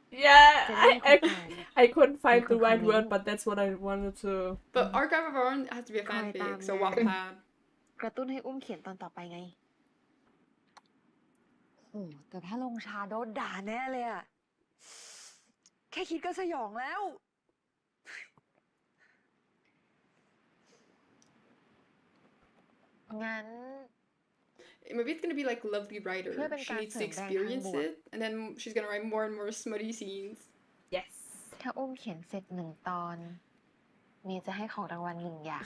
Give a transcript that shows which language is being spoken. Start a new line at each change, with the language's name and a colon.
English: Yeah, I couldn't find the right word, but that's what I wanted to. But Archive of Our Own has to be a fanfic, so Wattpad.
Thai: กระตุ้นให้อุ้มเขียนตอนต่อไปไง โหแต่ถ้าลงชาโดนด่าแน่เลยอะแค่คิดก็สยองแล้วงั้น
English: Maybe it's gonna be like lovely writer. She needs to experience it, and then she's gonna write more and more smutty scenes. Yes.
Thai: ถ้าอุ้มเขียนเสร็จหนึ่งตอนมีจะให้ของรางวัลหนึ่งอย่าง